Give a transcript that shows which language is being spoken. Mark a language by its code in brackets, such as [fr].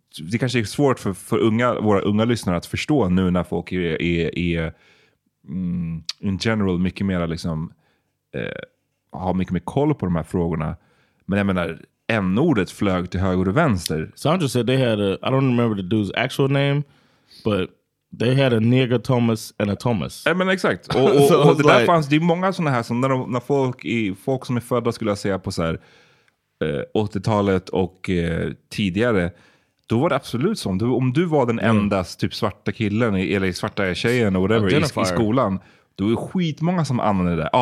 [sv] det kanske är svårt för unga, våra unga lyssnare att förstå nu när folk är [en] in general [sv] mycket mer liksom har mycket mer koll på de här frågorna. Men jag menar, N-ordet flög till höger och vänster. [en] Sandra said they had a, I don't remember the dude's actual name, but they had a nigger Thomas and a Thomas. [sv] Ja, men exakt. Och, so och det like... där fanns, det är många sådana här som när folk som är födda skulle jag säga på så här 80-talet och tidigare, då var det absolut så. Om du var den enda typ svarta killen eller svarta tjejen och whatever i skolan, då är skitmånga som använder det.